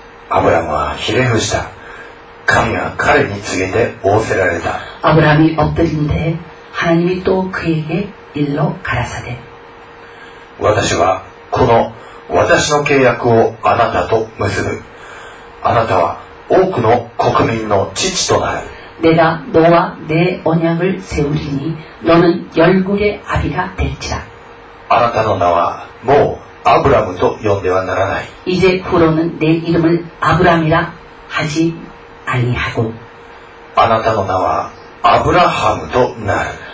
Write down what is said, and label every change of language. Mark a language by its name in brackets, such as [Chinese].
[Japanese] 아브라함은ひれ伏した。神は彼に告げて仰せられた。 [Korean] 아브라함이엎드린데하나님이또그에게일러가라사대。 [Japanese] 私はこの私の契約をあなたと結ぶ。あなたは多くの国民の父となる。 [Korean] 내가 너와 내 언약을 세우리니 너는 열국의 아비가 될지라. [Japanese] あなたの名はもうアブラムと呼んではならない。 [Korean] 이제 후로는 내 이름을 아브람이라 하지 아니하고. [Japanese] あなたの名はアブラハムとなる。